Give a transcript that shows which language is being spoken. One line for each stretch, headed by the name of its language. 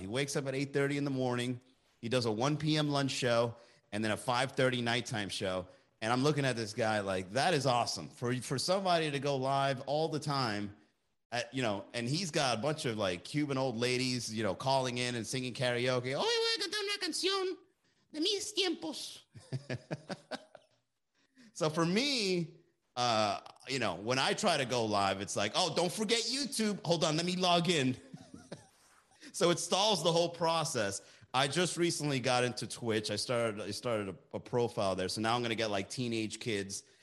English: He wakes up at 8:30 in the morning. He does a 1 p.m. lunch show and then a 5:30 nighttime show. And I'm looking at this guy like, that is awesome. For somebody to go live all the time, at, you know, and he's got a bunch of like Cuban old ladies, you know, calling in and singing karaoke.
Spanish: Hoy voy a cantar una canción de mis tiempos.
English: So for me, you know, when I try to go live, it's like, oh, don't forget YouTube. Hold on, let me log in. So it stalls the whole process. I just recently got into Twitch. I started a profile there. So now I'm going to get like teenage kids.